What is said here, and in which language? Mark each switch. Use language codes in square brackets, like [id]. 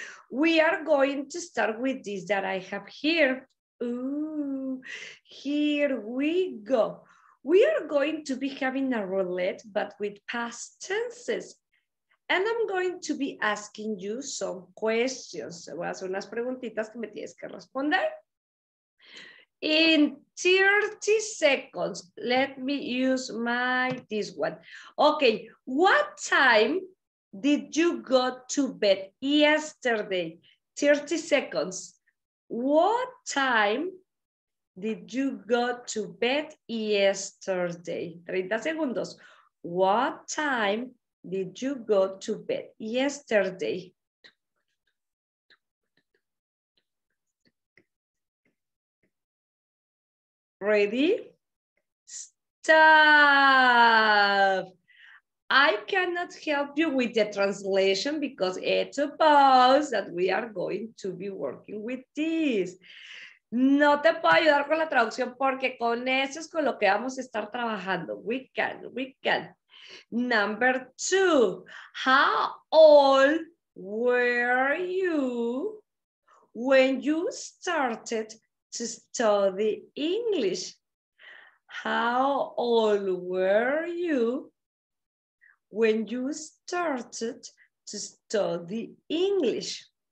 [en] We are going to start with this that I have here. Ooh, here we go. We are going to be having a roulette, but with past tenses. And I'm going to be asking you some questions. [es] Voy a hacer unas preguntitas que me tienes que responder. [en] In 30 seconds, let me use this one. Okay, what time did you go to bed yesterday? 30 seconds. What time did you go to bed yesterday? [es] 30 segundos. [en] What time did you go to bed yesterday? Ready? Stop! I cannot help you with the translation because it's a pause that we are going to be working with this. [es] No te puedo ayudar con la traducción porque con eso es con lo que vamos a estar trabajando. [en] We can. Number two, how old were you when you started to study English? How old were you when you started to study English?